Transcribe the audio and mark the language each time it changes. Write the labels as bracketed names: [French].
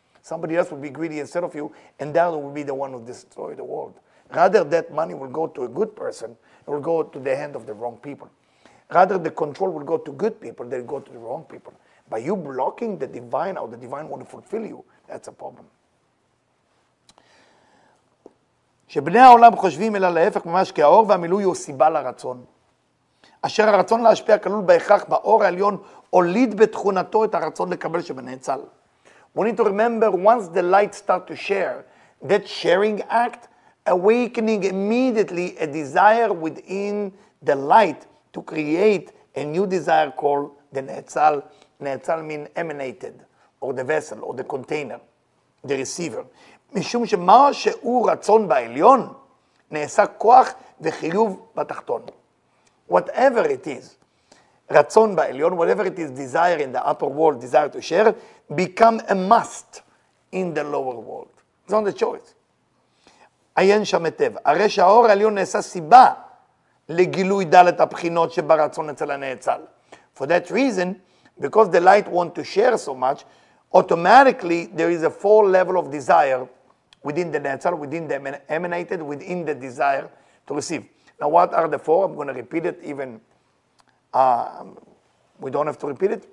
[English] Somebody else will be greedy instead of you and that will be the one who destroys the world. Rather that money will go to a good person, it will go to the hand of the wrong people. Rather the control will go to good people, they'll go to the wrong people. By you blocking the divine or the divine want to fulfill you, that's a problem. [Hebrew] שבני העולם חושבים אלא להפך ממש כי האור והמילוי הוא סיבה לרצון. אשר הרצון להשפיע כלול בהכרח באור העליון הוליד בתכונתו את הרצון לקבל שבנאצל. [English] We need to remember once the light start to share, that sharing act awakening immediately a desire within the light to create a new desire called The Netzal, Netzal mean emanated, or the vessel, or the container, the receiver. [Hebrew] משום שמה שהוא רצון בעליון, נעשה כוח וחיוב בתחתון. [English] Whatever it is, [Hebrew] רצון בעליון, [English] whatever it is desire in the upper world, desire to share, become a must in the lower world. It's not a choice. [Hebrew] עיין שם היטב. הרי שהאור העליון נעשה סיבה לגילוי דלת הבחינות שברצון אצל הנאצל. [English] For that reason, because the light want to share so much, automatically there is a four level of desire within the Netzal, within the emanated, within the desire to receive. Now what are the four? I'm going to repeat it even, we don't have to repeat it.